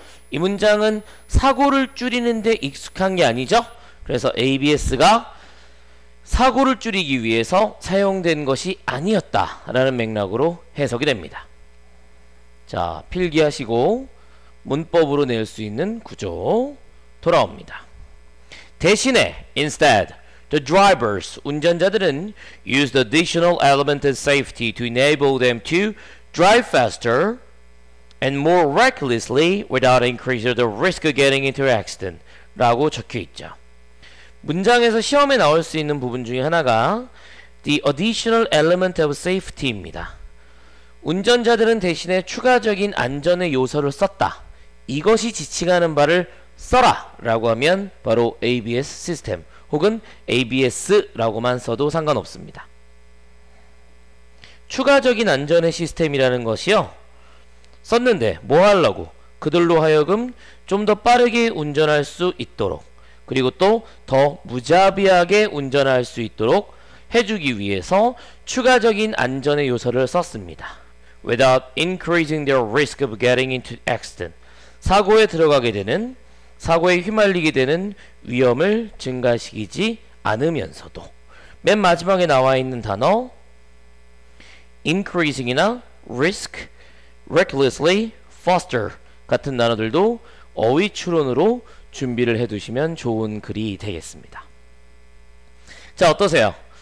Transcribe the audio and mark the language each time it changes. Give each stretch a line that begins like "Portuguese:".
Korean: 이 문장은 사고를 줄이는 데 익숙한 게 아니죠. 그래서 ABS가 사고를 줄이기 위해서 사용된 것이 아니었다 라는 맥락으로 해석이 됩니다. 자, 필기하시고 문법으로 낼 수 있는 구조 돌아옵니다. 대신에
English: instead the drivers
Korean: 운전자들은
English: used additional element of safety to enable them to drive faster and more recklessly without increasing the risk of getting into accident
Korean: 라고 적혀 있죠. 문장에서 시험에 나올 수 있는 부분 중에 하나가
English: The additional element of safety
Korean: 입니다. 운전자들은 대신에 추가적인 안전의 요소를 썼다. 이것이 지칭하는 바를 써라 라고 하면 바로 ABS 시스템 혹은 ABS라고만 써도 상관없습니다. 추가적인 안전의 시스템이라는 것이요. 썼는데 뭐 하려고? 그들로 하여금 좀 더 빠르게 운전할 수 있도록 그리고 또 더 무자비하게 운전할 수 있도록 해주기 위해서 추가적인 안전의 요소를 썼습니다.
English: Without increasing their risk of getting into accident.
Korean: 사고에 들어가게 되는, 사고에 휘말리게 되는 위험을 증가시키지 않으면서도. 맨 마지막에 나와 있는 단어 increasing이나 risk, recklessly, faster 같은 단어들도 어휘 추론으로 준비를 해두시면 좋은 글이 되겠습니다. 자, 어떠세요?